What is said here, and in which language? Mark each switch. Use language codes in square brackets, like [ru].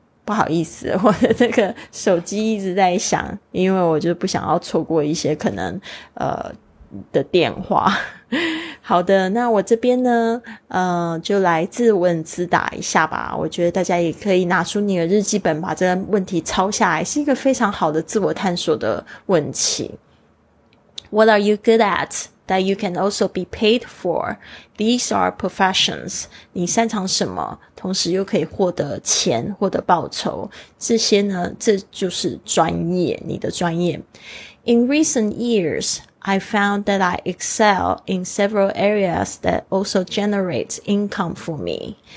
[zh] 不好意思，我的那个手机一直在响，因为我就不想要错过一些可能的电话。好的，那我这边呢就来自问自答一下吧，我觉得大家也可以拿出你的日记本把这个问题抄下来，是一个非常好的自我探索的问题。 [en] What are you good at that you can also be paid for? These are professions. [zh] 你擅长什么同时又可以获得钱获得报酬，这些呢这就是专业，你的专业。 [en] In recent years,I found that I excel in several areas that also generate income for me.